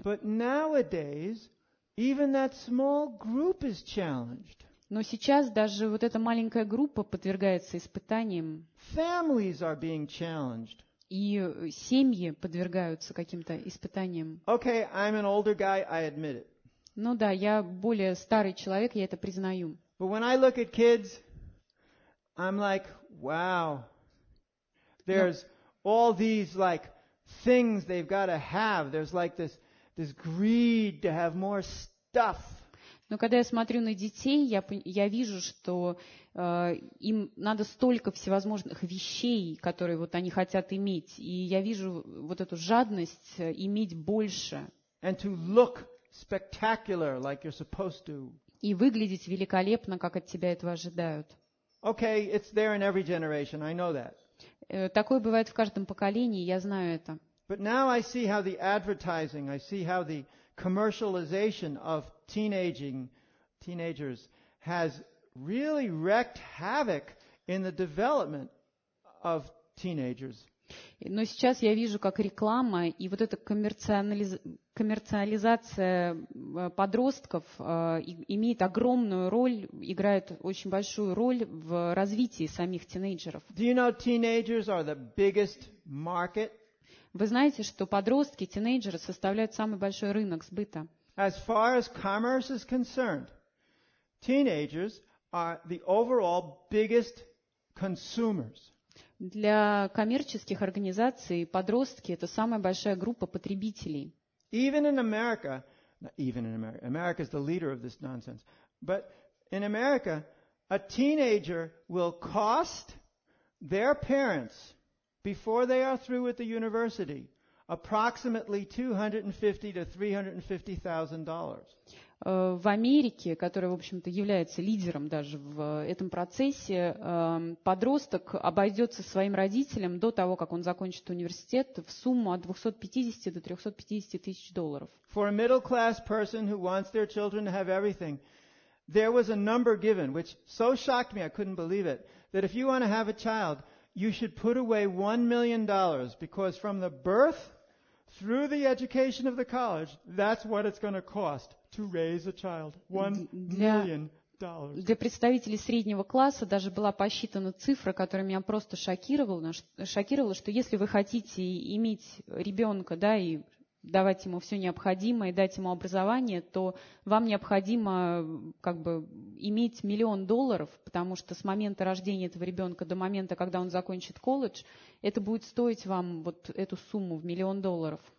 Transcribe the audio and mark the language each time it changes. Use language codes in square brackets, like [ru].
[en] But nowadays, even that small group is challenged. [ru] Но сейчас даже вот эта маленькая группа подвергается испытаниям. [en] Families are being challenged. [ru] И семьи подвергаются каким-то испытаниям. [en] Okay, I'm an older guy, I admit it. [ru] Ну да, я более старый человек, я это признаю. [en] But when I look at kids, I'm like, wow. There's all these like things they've got to have. There's like this greed to have more stuff. [ru] Но когда я смотрю на детей, я вижу, что им надо столько всевозможных вещей, которые вот они хотят иметь. И я вижу вот эту жадность иметь больше. [en] And to look spectacular, like you're supposed to. [ru] И выглядеть великолепно, как от тебя этого ожидают. [en] Okay, it's there in every generation, I know that. [ru] Такое бывает в каждом поколении, я знаю это. [en] But now I see how the advertising, I see how the commercialization of teenagers has really wreaked havoc in the development of teenagers. [ru] Но сейчас я вижу, как реклама и вот эта коммерциализация подростков имеет огромную роль, играет очень большую роль в развитии самих тинейджеров. [en] Do you know teenagers are the biggest market? [ru] Вы знаете, что подростки, тинейджеры составляют самый большой рынок сбыта? [en] As far as commerce is concerned, teenagers are the overall biggest consumers. [ru] Для коммерческих организаций подростки — это самая большая группа потребителей. [en] Even in America, not even in America, America is the leader of this nonsense. But in America, a teenager will cost their parents, before they are through with the university, approximately $250,000 to $350,000. [ru] В Америке, которая, в общем-то, является лидером даже в этом процессе, подросток обойдется своим родителям до того, как он закончит университет, в сумму от 250 до 350 тысяч долларов. [en] For a middle-class person who wants their children to have everything, there was a number given, which so shocked me, I couldn't believe it, that if you want to have a child, you should put away $1 million, because from the birth through the education of the college, that's what it's going to cost to raise a child. $1 million. [ru] Для представителей среднего класса даже была посчитана цифра, которая меня просто шокировала, что если вы хотите иметь ребенка, да, и давать ему все необходимое, дать ему образование, то вам необходимо как бы иметь $1 million, потому что с момента рождения этого ребенка до момента, когда он закончит колледж, это будет стоить вам вот эту сумму в $1 million.